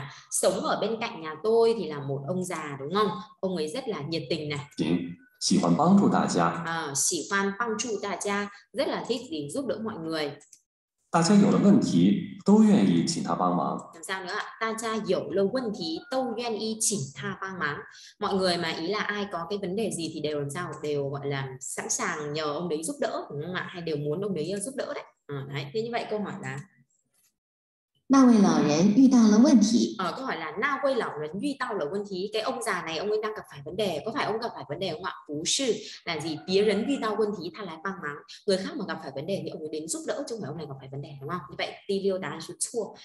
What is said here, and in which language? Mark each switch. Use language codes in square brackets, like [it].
[vi] Sống ở bên cạnh nhà tôi thì là một ông già đúng không? Ông ấy rất là nhiệt tình này. [zh] 行，喜欢帮助大家。喜欢帮助大家, [vi] rất là thích để giúp đỡ mọi người. [zh] 大家有了问题都愿意请他帮忙。 [vi] Làm sao nữa ạ? [zh] 大家有了问题都愿意请他帮忙. [vi] Mọi người mà ý là ai có cái vấn đề gì thì đều làm sao? Đều gọi là sẵn sàng nhờ ông đấy giúp đỡ đúng không ạ? Hay đều muốn ông đấy giúp đỡ đấy. Đấy, thế như vậy câu hỏi là [zh] 那位老人遇到了问题. [vi] Câu hỏi là [zh] 那位老人遇到了问题. [vi] Cái ông già này ông ấy đang gặp phải vấn đề. Có phải ông gặp phải vấn đề không ạ? [zh] 不是. [vi] Là gì? 别人遇到问题, ta lại băng mắng. Người khác mà gặp phải vấn đề thì ông ấy đến giúp đỡ, chứ không phải ông này gặp phải vấn đề đúng không? Như vậy đi liêu đáp án là chua.